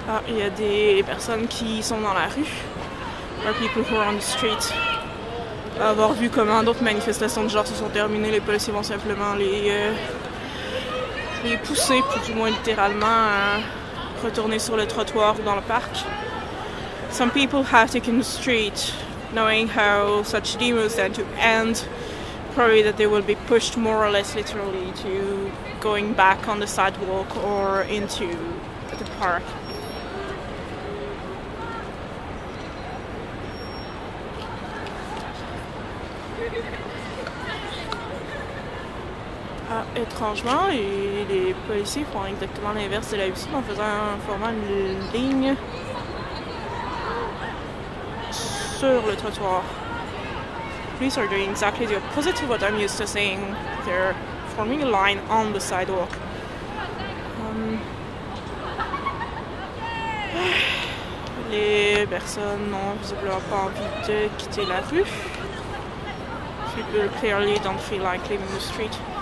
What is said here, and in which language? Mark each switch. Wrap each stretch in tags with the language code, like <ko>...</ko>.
<fr>Il y a des personnes qui sont dans la rue.</fr> <en>Or people who are on the street.</en> <fr>Avoir vu comment d'autres manifestations de genre se sont terminées, les policiers vont simplement les pousser, plus ou moins littéralement, à retourner sur le trottoir ou dans le parc.</fr> <en>Some people have taken the street, knowing how such demos tend to end probably that they will be pushed more or less literally to going back on the sidewalk or into the park.</en> <fr>Ah, étrangement, les policiers font exactement l'inverse de la UCI en faisant un format de ligne sur le trottoir.</fr> <en>Police are doing exactly the opposite of what I'm used to seeing. They're forming a line on the sidewalk.</en> <fr>Les personnes n'ont visiblement pas envie de quitter la rue.</fr> <en>People clearly don't feel like leaving the street.</en>